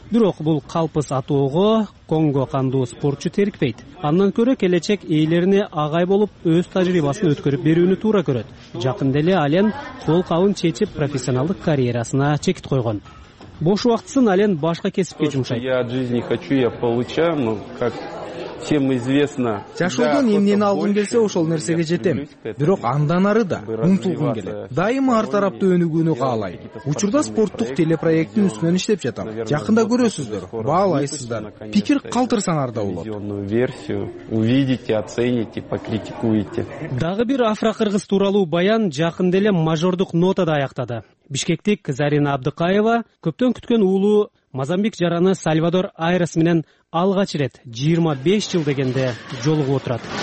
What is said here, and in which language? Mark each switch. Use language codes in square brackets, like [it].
[ky] Бирок бул калпыс атоого Конго кандуу спортчу терикпейт. Андан көрө келечек ээлерине агай болуп өз тажрыйбасын өткөрүп берүүнү туура көрөт. Жакында эле Ален кол кабын чечип профессионалдык карьерасына чекит койгон. Бош убактысын Ален башка кесипке жумшайт. [ru] Я от жизни хочу, я получаю, но как всем известно. [ky] Жашоодон эмнени алгым келсе, ошол нерсеге жетем. Бирок андан ары да умтулгум келет. Дайыма ар тараптуу өнүгүүнү каалайм. Учурда спорттук телепроекттин үстүнөн иштеп жатам. Жакында көрөсүздөр, баалайсыздар. Пикир калтырсаңар да болот. [ru] Версию увидите, оцените, покритикуете. [ky] Дагы бир афро-кыргыз тууралуу баян жакында эле мажордук нотада аяктады. Бишкектик Зарина Абдыкаева көптөн күткөн уулуу Мозамбик жараны Сальвадор Айрес менен алгач ирет 25 жыл дегенде жолугуп отурат.